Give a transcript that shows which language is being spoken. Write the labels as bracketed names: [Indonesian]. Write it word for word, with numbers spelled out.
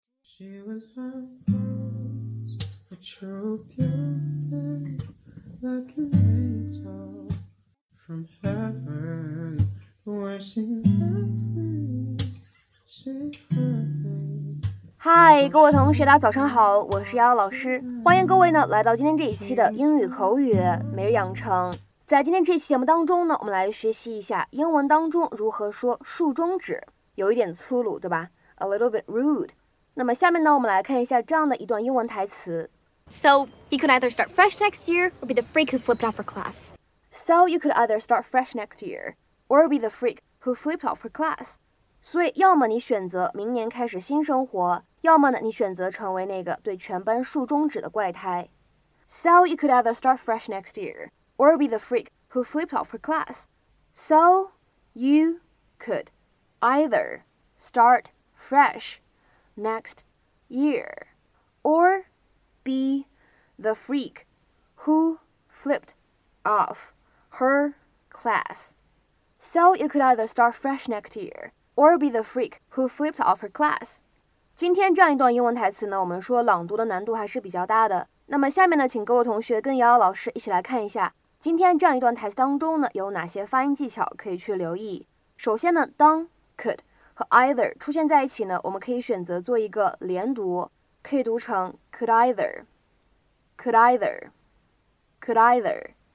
[English] She was almost a true beauty, like an angel from heaven. When she left me, she hurt me. [Chinese] 嗨，各位同学，大家早上好，我是瑶瑶老师，欢迎各位呢来到今天这一期的英语口语每日养成。在今天这期节目当中呢，我们来学习一下英文当中如何说竖中指，有一点粗鲁，对吧 ？ [English] A little bit rude。 [Chinese] 那么下面呢，我们来看一下这样的一段英文台词。 [English] So you could either start fresh next year or be the freak who flipped out for class. So you could either start fresh next year or be the freak who flipped out for class. [Chinese] 所以，要么你选择明年开始新生活，要么呢，你选择成为那个对全班竖中指的怪胎。 [English] So you could either start fresh next year or be the freak who flipped out for class. So you could either start fresh. Next year, or be the freak who flipped off her class. So you could either start fresh next year, or be the freak who flipped off her class. [Chinese] 今天这样一段英文台词呢，我们说朗读的难度还是比较大的。那么下面呢，请各位同学跟瑶瑶老师一起来看一下，今天这样一段台词当中呢，有哪些发音技巧可以去留意。首先呢，当 could和 either 出现在一起呢，我们可以选择做一个连读，可以读成 [English] could either, could either, could either。